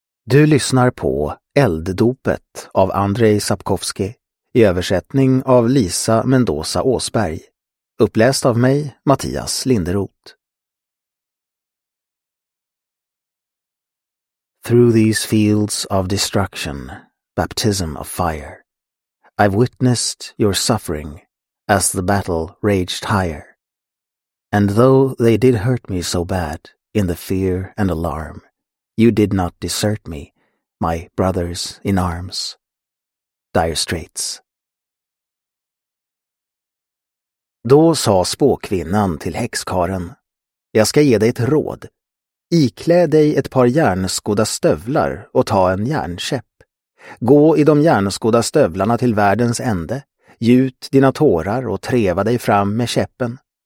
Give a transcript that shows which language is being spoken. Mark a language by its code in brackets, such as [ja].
[sv] Du lyssnar på Elddopet av Andrei Sapkowski i översättning av Lisa Mendoza Åsberg, uppläst av mig, Mattias Linderoth. [en] Through these fields of destruction, baptism of fire, I've witnessed your suffering as the battle raged higher. And though they did hurt me so bad in the fear and alarm, you did not desert me, my brothers in arms. Dire Straits. [sv] Då sa spåkvinnan till häxkaren: jag ska ge dig ett råd. Iklä dig ett par järnskodda stövlar och ta en järnkäpp. Gå i de järnskodda stövlarna till världens ände, gjut dina tårar och treva dig fram med käppen.